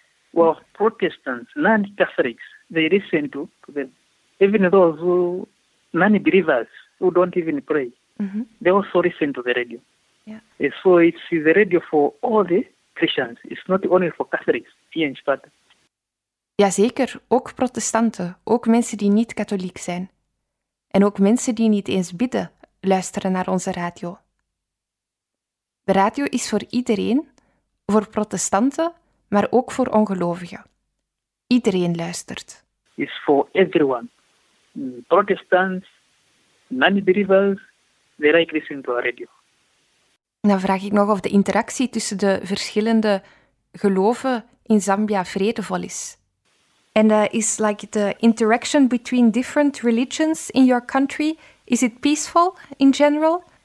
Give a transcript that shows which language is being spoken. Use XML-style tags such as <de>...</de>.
<en>Well, Protestants, non-Catholics, they listen to them. Even those who, non-believers, who don't even pray, they also listen to the radio. Yeah. So it's the radio for all the Christians. It's not only for Catholics here in Sparta.</en> <nl>Jazeker, ook protestanten, ook mensen die niet katholiek zijn. En ook mensen die niet eens bidden, luisteren naar onze radio. De radio is voor iedereen, voor protestanten, maar ook voor ongelovigen. Iedereen luistert.</nl> <en>It's for everyone. Protestants, non-believers, they like listening to our radio.</en> <nl>Dan vraag ik nog of de interactie tussen de verschillende geloven in Zambia vredevol is.</nl> <en>And is like the interaction between different religions in your country, is it peaceful in general?</en>